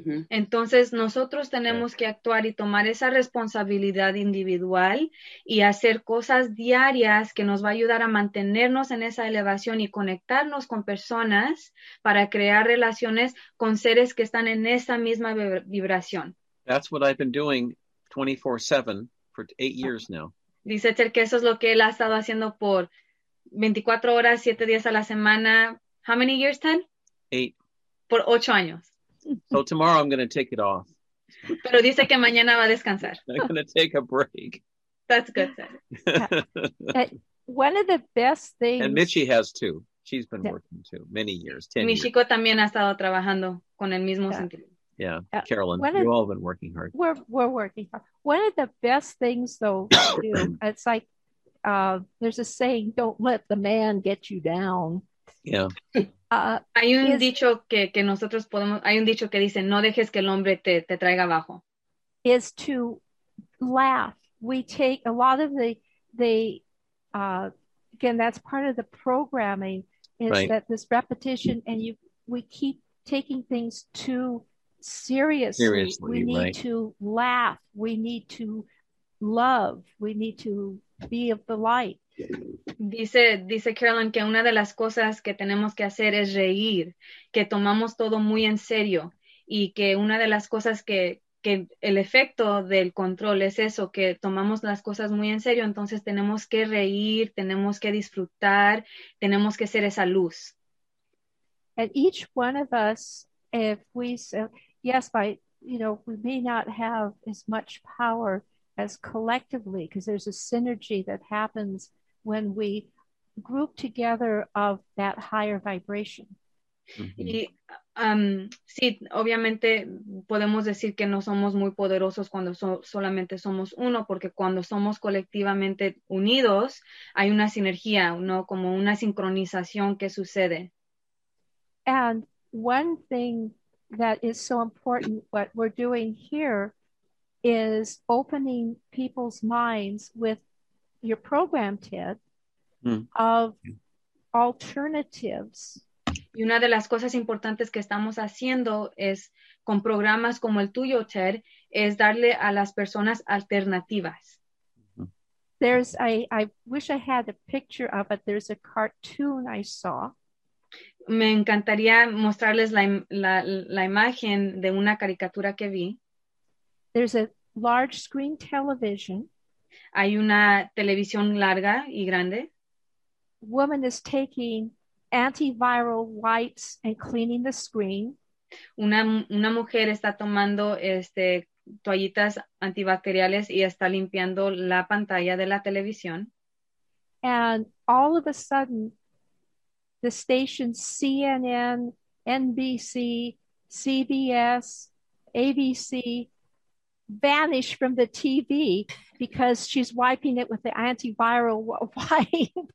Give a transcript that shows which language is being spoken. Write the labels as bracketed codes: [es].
[es] Mm-hmm. Entonces nosotros tenemos que actuar y tomar esa responsabilidad individual y hacer cosas diarias que nos va a ayudar a mantenernos en esa elevación y conectarnos con personas para crear relaciones con seres que están en esa misma vibración. [en] That's what I've been doing 24/7 for 8 years now. [es] Dice Ter que eso es lo que él ha estado haciendo por 24 horas, 7 días a la semana. [en] How many years, Ted? 8. [es] Por 8 años. [en] So tomorrow I'm going to take it off. [es] Pero dice que mañana va a descansar. [en] I'm going to take a break. That's good, Ted. Yeah. One of the best things. And Michi has too. She's been working too. Many years, 10 years. [es] Michi también ha estado trabajando con el mismo sentido. [en] Yeah, Carolyn, you all have been working hard. We're working hard. One of the best things, though, too, it's like, there's a saying, don't let the man get you down. Yeah. [es] Hay un dicho que nosotros podemos, hay un dicho que dice, no dejes que el hombre te traiga abajo. [en] Is to laugh. We take a lot of again, that's part of the programming, is right. That this repetition, and we keep taking things too seriously. We need right. to laugh. We need to love. We need to be of the light. [es] Dice Carolyn que una de las cosas que tenemos que hacer es reír, que tomamos todo muy en serio y que una de las cosas que que el efecto del control es eso, que tomamos las cosas muy en serio, entonces tenemos que reír, tenemos que disfrutar, tenemos que ser esa luz. [en] And each one of us, if we say, yes, by, you know, we may not have as much power as collectively, because there's a synergy that happens when we group together of that higher vibration. [es] Mm-hmm. Y sí, obviamente podemos decir que no somos muy poderosos cuando solamente somos uno, porque cuando somos colectivamente unidos, hay una sinergia, ¿no? Como una sincronización que sucede. [en] And one thing that is so important, what we're doing here, is opening people's minds with your program, Ted, of alternatives. [es] Y una de las cosas importantes que estamos haciendo es, con programas como el tuyo, Ted, es darle a las personas alternativas. [en] There's I wish I had a picture of it. There's a cartoon I saw. [es] Me encantaría mostrarles la imagen de una caricatura que vi. [en] There's a large screen television. [es] Hay una televisión larga y grande. [en] Woman is taking antiviral wipes and cleaning the screen. [es] Una mujer está tomando toallitas antibacteriales y está limpiando la pantalla de la televisión. [en] And all of a sudden, the stations CNN, NBC, CBS, ABC vanish from the TV because she's wiping it with the antiviral wipe.